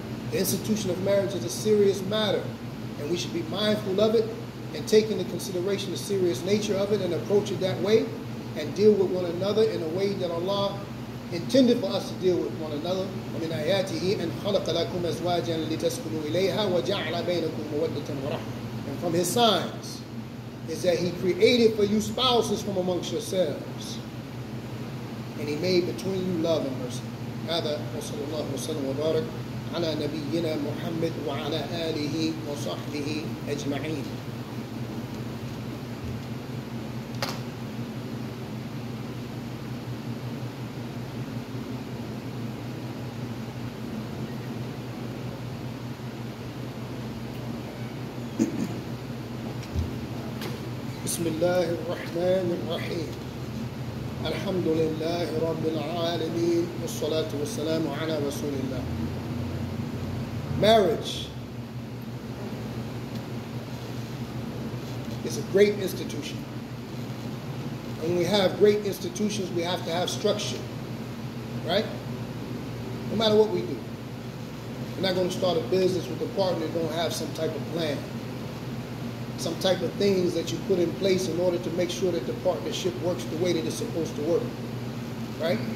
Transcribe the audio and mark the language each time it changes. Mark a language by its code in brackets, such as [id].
[en] The institution of marriage is a serious matter, and we should be mindful of it and take into consideration the serious nature of it and approach it that way and deal with one another in a way that Allah intended for us to deal with one another. [ar] وَمِنْ آيَاتِهِ أَنْ خَلَقَ لَكُمْ أَزْوَاجًا لِتَسْكُنُوا إِلَيْهَا وَجَعْلَ بَيْنَكُمْ مَوَدَّةً وَرَحْمَةً. [en] And from his signs is that he created for you spouses from amongst yourselves, and he made between you love and mercy. [ar] هذا صلى الله عليه وسلم وبارك على نبينا محمد وعلى آله وصحبه أجمعين. بسم الله الرحمن الرحيم. الحمد لله رب العالمين والصلاة والسلام على رسول الله. [en] Marriage is a great institution. When we have great institutions, we have to have structure, right? No matter what we do. We're not going to start a business with a partner that don't have some type of plan, some type of things that you put in place in order to make sure that the partnership works the way that it's supposed to work. right?